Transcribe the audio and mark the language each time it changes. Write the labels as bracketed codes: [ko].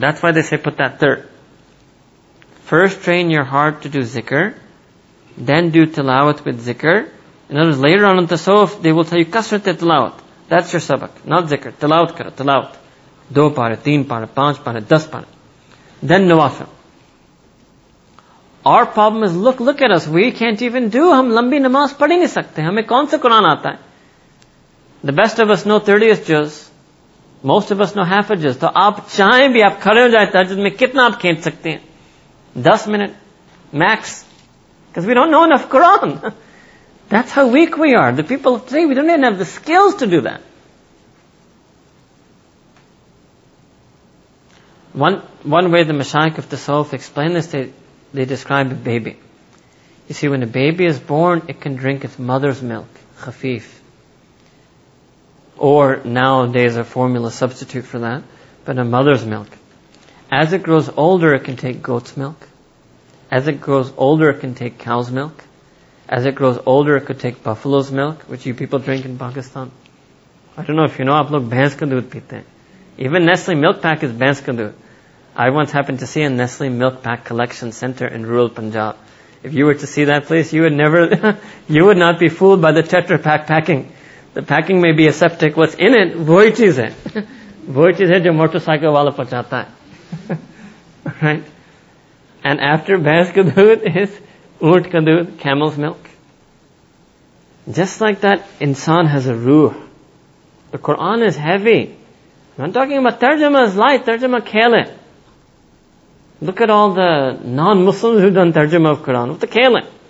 [en] That's why they say put that third. First train your heart to do zikr, then do tilawat with zikr. In other words, later on in tasawuf, they will tell you kasrat tilawat. That's your sabak, not zikr. [ur] Tilawat kara, tilawat. Do pare, teen pare, panch pare, das pare. [en] Then nawafil. Our problem is, look at us. We can't even do. [ur] ہم لمبی نماز پڑھی نہیں سکتے۔ ہمیں کون سا قرآن آتا ہے؟ [en] The best of us know 30th juz. Most of us know half a juz. So [ur] آپ چاہیں بھی، آپ کھڑے ہو جائے تہجد میں، کتنا آپ کھینچ سکتے ہیں؟ [en] 10 minutes, max. Because we don't know enough Quran. That's how weak we are. The people of today, we don't even have the skills to do that. One way the mashayikh of tasawuf explain this, they describe a baby. You see, when a baby is born, it can drink its mother's milk, khafif. Or nowadays a formula substitute for that, but a mother's milk. As it grows older, it can take goat's milk. As it grows older, it can take cow's milk. As it grows older, it could take buffalo's milk, which you people drink in Pakistan. I don't know if you know, [ur] aap log bhans ka doodh peete hain. [en] Even Nestle milk pack is [ur] bhans ka doodh. [en] I once happened to see a Nestle milk pack collection center in rural Punjab. If you were to see that place, you would never, you would not be fooled by the Tetra Pak packing. The packing may be aseptic. What's in it, [ur] wohi cheez hai. وہی چیز ہے جو motorcycle والا پہنچاتا ہے۔ [en] Right? And after bhans ka doodh is oont ka doodh, camel's milk. Just like that, insan has a ruh. The Quran is heavy. I'm not talking about tarjuma is light, tarjuma khele. Look at all the non-Muslims who've done tarjuma of Quran. What the khele?